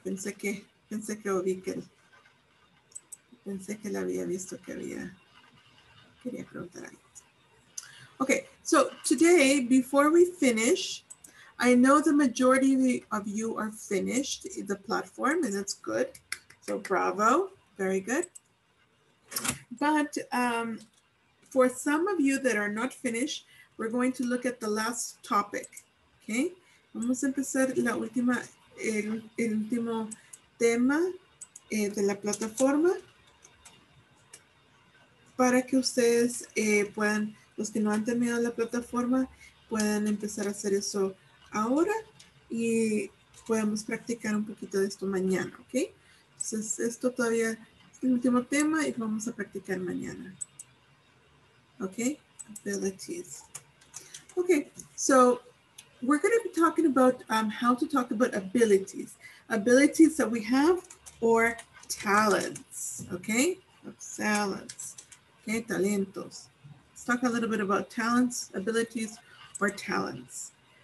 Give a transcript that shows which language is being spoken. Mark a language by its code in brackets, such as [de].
[es] Pensé que la había visto que había quería preguntar ahí. [en] Okay, so today, before we finish, I know the majority of you are finished the platform, and that's good. So bravo, very good. But for some of you that are not finished, we're going to look at the last topic, okay? [es] Vamos a empezar la última, el último tema de la plataforma para que ustedes puedan... Los que no han terminado la plataforma pueden empezar a hacer eso ahora y podemos practicar un poquito de esto mañana, ¿ok? Entonces, esto todavía es el último tema y vamos a practicar mañana. [en] ¿Ok? Abilities. Ok, so we're going to be talking about how to talk about abilities. Abilities that we have or talents, ¿ok? Talents, ¿ok? Talentos. Talk a little bit about talents, abilities, or talents.